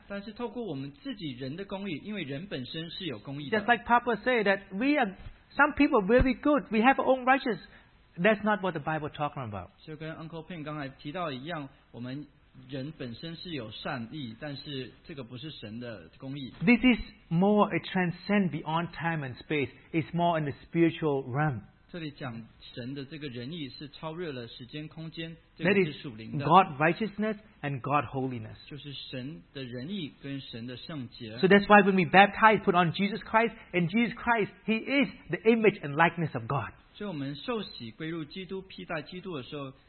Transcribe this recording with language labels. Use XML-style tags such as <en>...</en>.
<en>Just like Papa said, that we are some people really good. We have our own righteousness. That's not what the Bible is talking about.</en> <zh>就跟Uncle Pin刚才提到一样, 我们 人本身是有善意,</zh> <en>this is more a transcend beyond time and space. It's more in the spiritual realm.</en> <zh>这里讲神的这个仁义是超越了时间空间,</zh> <en>that is God righteousness and God holiness.</en> <zh>就是神的仁义跟神的圣洁.</zh> <en>So that's why when we baptize, put on Jesus Christ, and Jesus Christ, He is the image and likeness of God.</en> <zh>所以我们受洗归入基督，披戴基督的时候。</zh>